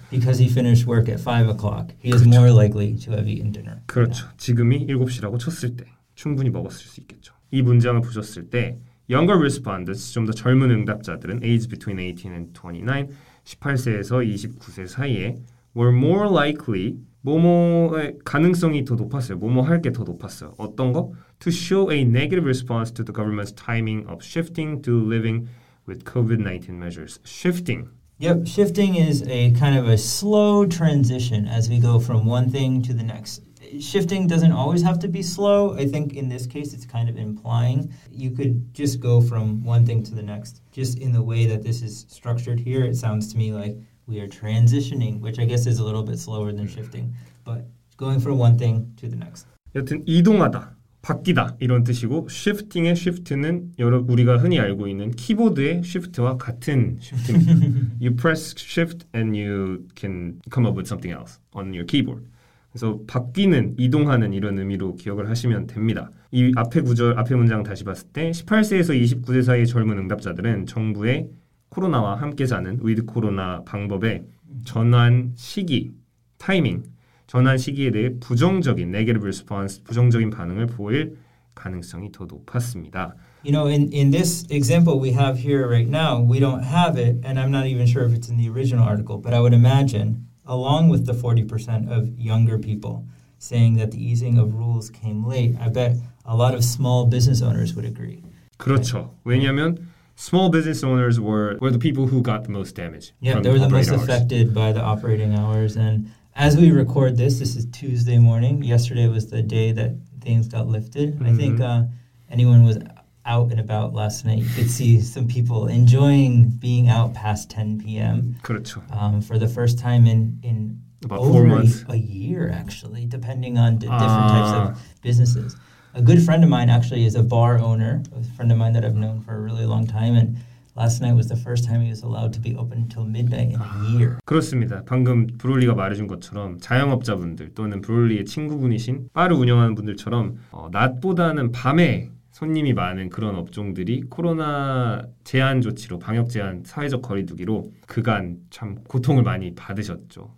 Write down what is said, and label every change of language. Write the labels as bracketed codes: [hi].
[en] Because he finished work at 5 o'clock, he is [ko] 그렇죠. [en] more likely to have eaten dinner. [ko] 그렇죠. 지금이 7시라고 쳤을 때 충분히 먹었을 수 있겠죠. 이 문장을 보셨을 때 [en] younger respondents, [ko] 좀 더 젊은 응답자들은 [en] age between 18 and 29, [ko] 18세에서 29세 사이에 [en] were more likely, [ko] 뭐뭐의 가능성이 더 높았어요. 뭐뭐 할 게 더 높았어요. 어떤 거? [en] To show a negative response to the government's timing of shifting to living with COVID-19 measures. Shifting. Yep, shifting is a kind of a slow transition as we go from one thing to the next. Shifting doesn't always have to be slow. I think in this case, it's kind of implying. You could just go from one thing to the next. Just in the way that this is structured here, it sounds to me like we are transitioning, which I guess is a little bit slower than shifting. But going from one thing to the next. [ko] 여튼 이동하다, 바뀌다 이런 뜻이고 shifting의 shift는 여러 우리가 흔히 알고 있는 키보드의 shift와 같은 shift입니다. [en] You press shift and you can come up with something else on your keyboard. [ko] 그래서 바뀌는, 이동하는 이런 의미로 기억을 하시면 됩니다. 이 앞에 구절, 앞에 문장 다시 봤을 때 18세에서 29세 사이의 젊은 응답자들은 정부의 코로나와 함께 사는 위드 코로나 방법의 전환 시기, 타이밍, 전환 시기에 대해 부정적인 negative response, 부정적인 반응을 보일 가능성이 더 높았습니다. [en] You know, in this example we have here right now, we don't have it, and I'm not even sure if it's in the original article, but I would imagine... along with the 40% of younger people saying that the easing of rules came late, I bet a lot of small business owners would agree. [ko] 그렇죠. 왜냐하면 [en] small business owners were the people who got the most damage. Yeah, they were the most affected by the operating hours. And as we record this, this is Tuesday morning. Yesterday was the day that things got lifted. Mm-hmm. I think anyone was out and about last night, you could see some people enjoying being out past 10 p.m. [ko] 그렇죠. [en] For the first time in about 4 months, a year actually, depending on different types of businesses. A good friend of mine actually is a bar owner, a friend of mine that I've known for a really long time, and last night was the first time he was allowed to be open until midnight in a year. [ko] 그렇습니다. 방금 브롤리가 말해준 것처럼 자영업자분들 또는 브롤리의 친구분이신 바를 운영하는 분들처럼 낮보다는 밤에 손님이 많은 그런 업종들이 코로나 제한 조치로 방역 제한 사회적 거리두기로 그간 참 고통을 많이 받으셨죠.